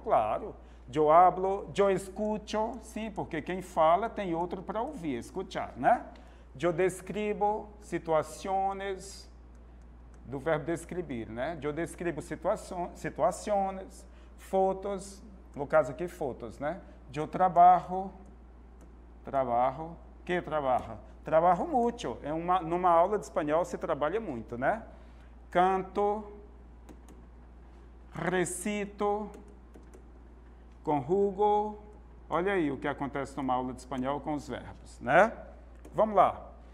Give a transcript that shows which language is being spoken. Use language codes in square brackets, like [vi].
[pt] Claro. [es] Yo hablo, yo escucho, [pt] sim, porque quem fala tem outro para ouvir, escuchar, né? [es] Yo describo [pt] situações, do verbo describir, né? [es] Yo describo [pt] situações, fotos, no caso aqui, fotos, né? [es] Yo trabajo, trabajo, que trabaja? Trabajo mucho, [pt] numa aula de espanhol se trabalha muito, né? Canto, recito, conjugo, olha aí o que acontece numa aula de espanhol com os verbos, né? Vamos lá.